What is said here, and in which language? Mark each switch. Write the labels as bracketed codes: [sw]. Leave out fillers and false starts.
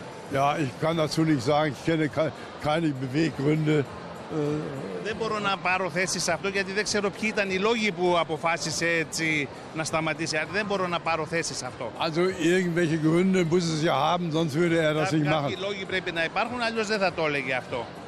[de] Ja, ich kann dazu nicht sagen, ich kenne keine Beweggründe. [el] Δεν μπορώ να πάρω θέση σε αυτό, γιατί δεν ξέρω ποιοι ήταν οι λόγοι που αποφάσισε έτσι να σταματήσει. Αλλά δεν μπορώ να πάρω θέση σε αυτό. [de] Also irgendwelche Gründe muss es ja haben, sonst würde er das nicht machen. [el] Κάποιοι λόγοι πρέπει να υπάρχουν, αλλιώς δεν θα το έλεγε αυτό.